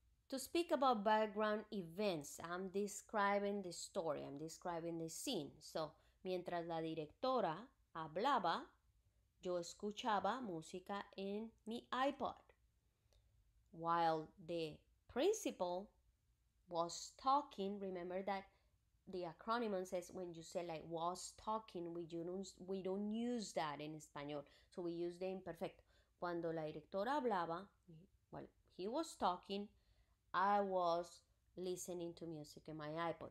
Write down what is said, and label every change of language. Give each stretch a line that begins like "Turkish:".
English: To speak about background events, I'm describing the story, I'm describing the scene.
Spanish: So, mientras la directora hablaba, yo escuchaba música en mi iPod.
English: While the principal was talking, remember that the acronym says when you say like was talking, we don't use that in español, so we use the imperfecto.
Spanish: Cuando la directora hablaba,
English: well, he was talking, I was listening to music in my iPod.